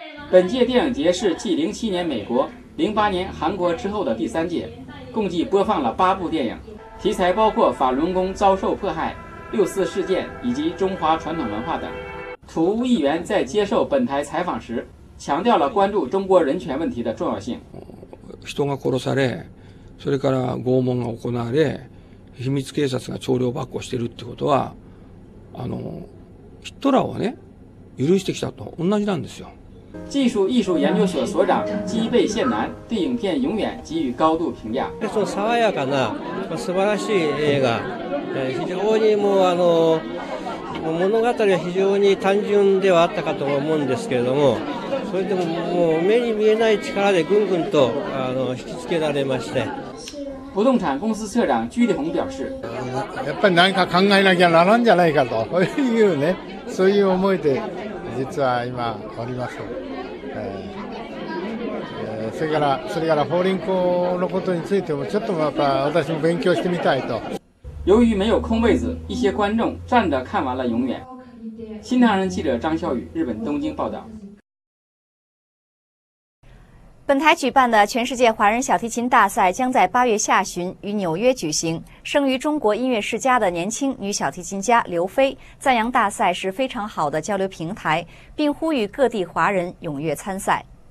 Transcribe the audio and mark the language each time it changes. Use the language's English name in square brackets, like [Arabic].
[Chinese] 本届电影节是继2007年美国、2008年韩国之后的第三届，共计播放了8部电影，题材包括法轮功遭受迫害、6.4事件以及中华传统文化等。土屋议员在接受本台采访时强调了关注中国人权问题的重要性。 [Japanese] 人が殺され、それから拷問が行われ、秘密警察が朝領跋扈してるってことは、ヒトラーはね、許してきたと同じなんですよ。 [Chinese] 技术艺术研究所所长基贝宪男对影片《永远》给予高度评价。 [Japanese] その爽やかな素晴らしい映画、非常にもう物語は非常に単純ではあったかと思うんですけれども、それでももう目に見えない力でぐんぐんと引きつけられまして。 [Chinese] 不动产公司策长居立宏表示， [Japanese] やっぱり何か考えなきゃならんじゃないかというね、そういう思いで実は今おります。それから法輪功のことについてもちょっとまた私も勉強してみたいと。 [Chinese] 由于没有空位子，一些观众站着看完了《永远》。新唐人记者张孝宇，日本东京报道。本台举办的全世界华人小提琴大赛将在8月下旬于纽约举行。生于中国音乐世家的年轻女小提琴家刘飞赞扬大赛是非常好的交流平台，并呼吁各地华人踊跃参赛。